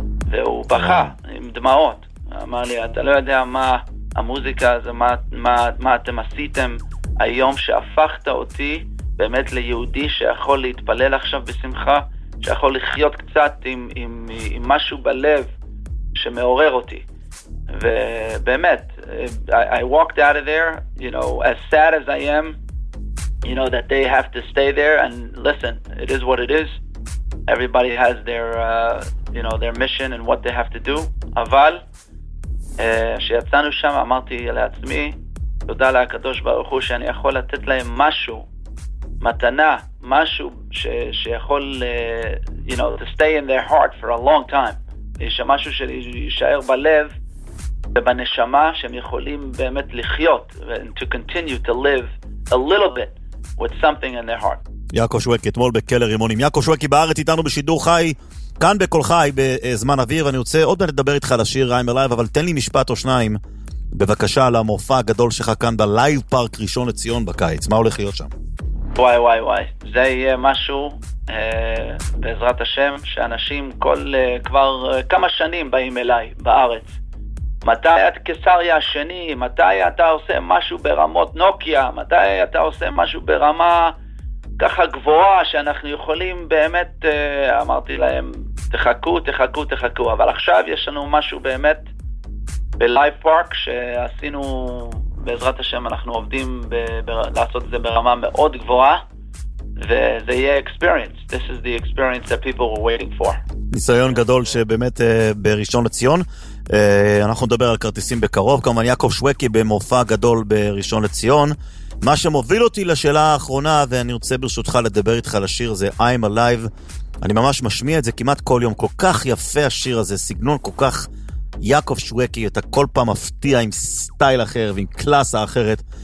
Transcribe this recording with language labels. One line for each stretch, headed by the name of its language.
Hebrew: והוא בכה עם דמעות, אמר לי, אתה לא יודע מה המוזיקה הזו, מה אתם עשיתם היום שהפכת אותי באמת ליהודי שיכול להתפלל עכשיו בשמחה, שיכול לחיות קצת עם משהו בלב שמעורר אותי. ובאמת,
English: I walked out of there, you know, as sad as I am, you know, that they have to stay there, and listen, it is what it is. Everybody has their, you know, their mission and what they have to do.
Hebrew: אבל, שיצאנו שם, אמרתי לעצמי, תודה לקדוש ברוך הוא שאני יכול לתת להם משהו, מתנה, משהו שיכול,
English: you know, to stay in their heart for a long time.
Hebrew: יש משהו שישאר בלב ובנשמה שהם יכולים באמת לחיות,
English: and to continue to live a little bit with something in their heart.
Hebrew: יעקב שוויקי, אתמול בכלא רימון. יעקב שוויקי בארץ איתנו בשידור חי, כאן בקול חי בזמן אוויר. אני רוצה עוד מעט לדבר איתך על השיר I'm Alive, אבל תן לי משפט או שניים בבקשה על המופע הגדול שלך כאן בלייב פארק ראשון לציון בקיץ. מה הולך להיות שם? וואי וואי וואי, זה יהיה משהו, בעזרת השם, שאנשים כבר כמה שנים באים אליי בארץ. מתי את קיסריה השני, מתי אתה עושה משהו ברמות נוקיה, מתי אתה עושה משהו ברמה ככה גבוהה שאנחנו יכולים באמת, אמרתי להם, תחכו, תחכו, תחכו. אבל עכשיו יש לנו משהו באמת בלייב פארק שעשינו, בעזרת השם אנחנו עובדים לעשות את זה ברמה מאוד גבוהה, וזה יהיה experience.
English: This is the experience that people were waiting for.
Hebrew: ניסיון גדול שבאמת בראשון לציון. אנחנו נדבר על כרטיסים בקרוב, כמובן יעקב שוויקי במופע גדול בראשון לציון. מה שמוביל אותי לשאלה האחרונה, ואני רוצה ברשותך לדבר איתך על השיר הזה, I'm Alive. אני ממש משמיע את זה כמעט כל יום, כל כך יפה השיר הזה, סגנון כל כך יעקב שוויקי, אתה כל פעם מפתיע עם סטייל אחר ועם קלאסה אחרת.